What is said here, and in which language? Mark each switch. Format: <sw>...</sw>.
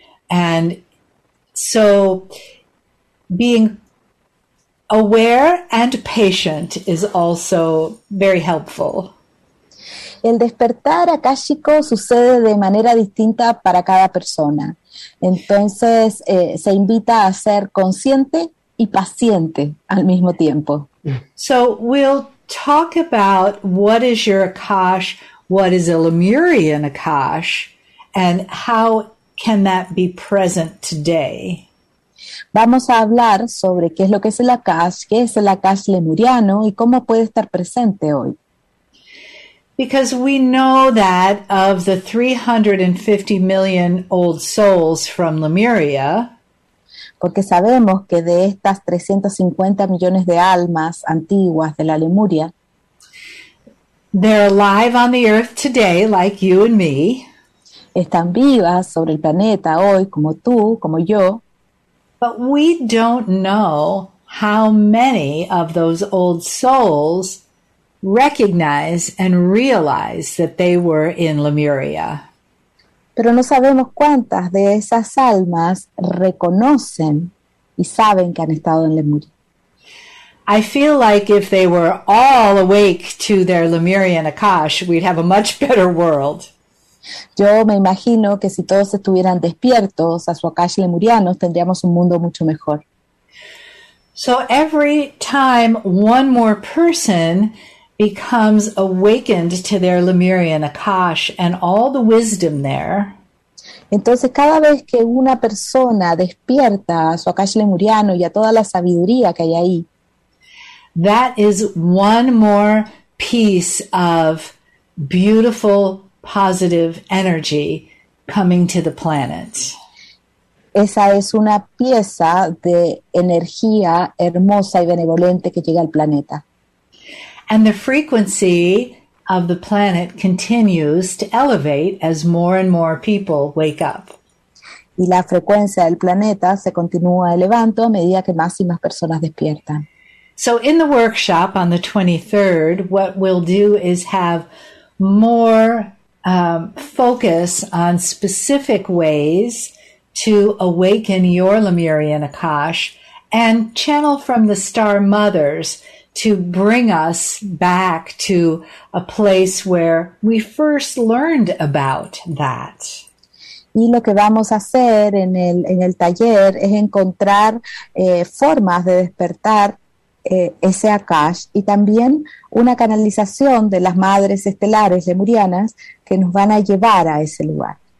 <en>And so being aware and patient is also very helpful.</en> <es>El despertar akáshico sucede de manera distinta para cada persona. Entonces, se invita a ser consciente y paciente al mismo tiempo.</es> <en>So, we'll talk about what is your akash, what is a Lemurian akash, and how can that be present today.</en> <es>Vamos a hablar sobre qué es lo que es el akash, qué es el akash lemuriano y cómo puede estar presente hoy.</es> <en>Because we know that of the 350,000,000 old souls from Lemuria,</en> <es>porque sabemos que de estas 350,000,000 de almas antiguas de la Lemuria,</es> <en>they're alive on the earth today, like you and me.</en> <es>Están vivas sobre el planeta hoy, como tú, como yo.</es> <en>But we don't know how many of those old souls recognize and realize that they were in Lemuria.</en> <es>Pero no sabemos cuántas de esas almas reconocen y saben que han estado en Lemuria.</es> <en>I feel like if they were all awake to their Lemurian Akash, we'd have a much better world.</en> <es>Yo me imagino que si todos estuvieran despiertos a su Akash Lemuriano, tendríamos un mundo mucho mejor.</es> <en>So every time one more person becomes awakened to their Lemurian Akash and all the wisdom there.</en> <es>Entonces, cada vez que una persona despierta a su Akash Lemuriano y a toda la sabiduría que hay ahí,</es> <en>that is one more piece of beautiful, positive energy coming to the planet.</en> <es>Esa es una pieza de energía hermosa y benevolente que llega al planeta.</es> <en>And the frequency of the planet continues to elevate as more and more people wake up.</en> <es>Y la frecuencia del planeta se continúa elevando a medida que más y más personas despiertan.</es> <en>So in the workshop on the 23rd, what we'll do is have more focus on specific ways to awaken your Lemurian Akash and channel from the Star Mothers to bring us back to a place where we first learned about that.</en> <es>Y lo que vamos a hacer en el taller es encontrar formas de despertar ese Akash y también una canalización de las madres estelares lemurianas que nos van a llevar a ese lugar.</es>